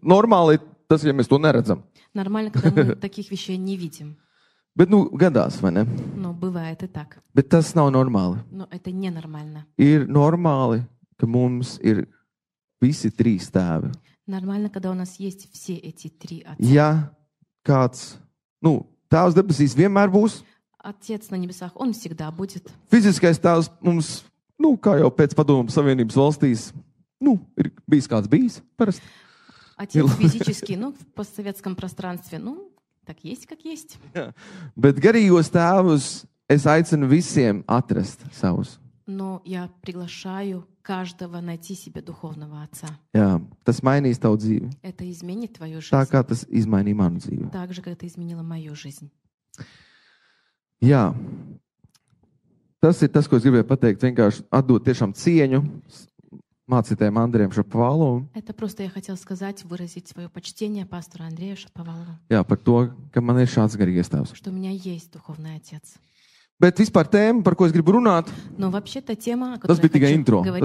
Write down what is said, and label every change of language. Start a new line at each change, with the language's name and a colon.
Latvian: Normāli tas, ja mēs to neredzam.
Russian: Нормально, когда мы таких вещей не видим.
Latvian: Bet nu gadās, vai ne?
Russian: Но бывает и так.
Latvian: Bet tas nav normāli.
Russian: Но это ненормально.
Latvian: Ir normāli, ka mums ir visi trīs tēvi.
Russian: Нормально, когда у нас есть все эти три отца.
Latvian: Ja kāds, nu, tēvs debesīs vienmēr būs.
Russian: Отец на небесах, он всегда будет.
Latvian: Fiziskais tēvs mums, nu, kā jau pēc padomu savienības valstīs, nu, ir bijis kāds bijis, parasti.
Russian: Отец физически, ну, в постсоветском пространстве, ну, так есть, как есть.
Latvian: Jā. Bet garīgos tēvus es aicinu visiem atrast savus.
Russian: Но я приглашаю каждого найти себе духовного отца.
Latvian: Jā, tas mainīs tavu dzīvi.
Russian: Это изменит твою жизнь.
Latvian: Tā kā tas izmainīja manu dzīvi.
Russian: Так же, как это изменило мою жизнь.
Latvian: Jā. Tas ir tas, ko es gribēju pateikt, vienkārši atdot tiešām cieņu mācītājiem Andrejam Šapovalovam.
Russian: Это просто я хотел сказать, выразить своё почтение пастору Андрею Шаповалову.
Latvian: Jā, par to, ka man ir šāds garīgais tēvs.
Russian: Что у меня есть духовный отец.
Latvian: Bet vispār tēma, par ko es gribu runāt.
Russian: Но вообще та тема, о которой я хочу говорить.